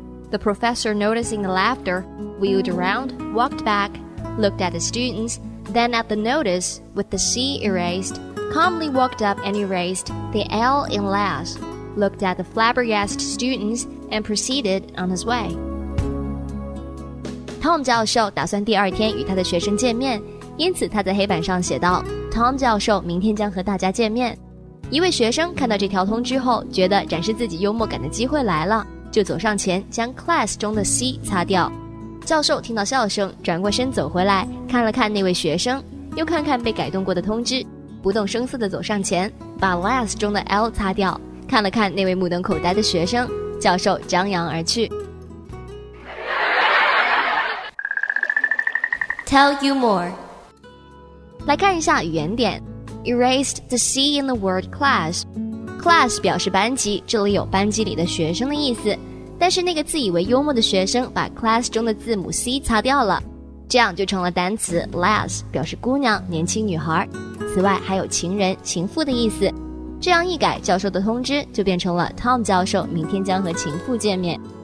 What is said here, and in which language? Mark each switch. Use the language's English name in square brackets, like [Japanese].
[English] The professor, noticing the laughter, wheeled around, walked back, looked at the students, then at the notice with the C erased, calmly walked up and erased the L in last, looked at the flabbergasted students, and proceeded on his way. [Chinese] Tom 教授打算第二天与他的学生见面，因此他在黑板上写道 Tom 教授明天将和大家见面。一位学生看到这条通知后，觉得展示自己幽默感的机会来了，就走上前将 class 中的 C 擦掉。教授听到笑声，转过身走回来，看了看那位学生，又看看被改动过的通知，不动声色地走上前把 last 中的 L 擦掉，看了看那位目瞪口呆的学生，教授张扬而去。 [English] Tell you more. [Chinese] 来看一下语言点。 [English] Erased the C in the word class. [Chinese] Class 表示班级，这里有班级里的学生的意思。但是那个自以为幽默的学生把 class 中的字母 C 擦掉了，这样就成了单词 lass， 表示姑娘、年轻女孩。此外还有情人、情妇的意思。这样一改，教授的通知就变成了 Tom 教授明天将和情妇见面。